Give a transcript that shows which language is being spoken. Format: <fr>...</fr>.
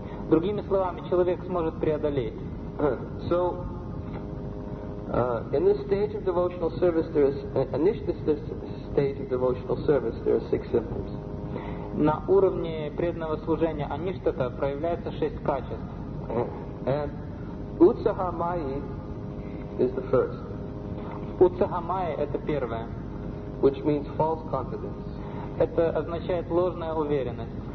<ru>Другими словами, человек сможет преодолеть.</ru> <en>So, in this stage of devotional service, there is aniṣṭha stage of devotional service. There are six symptoms.</en> <ru>На уровне преданного служения аништхата проявляется шесть качеств.</ru> <en>And utsahamayi is the first.</en> <ru>Utsahamayi это первое.</ru> <en>Which means false confidence.</en> <ru>Это означает ложная уверенность.</ru>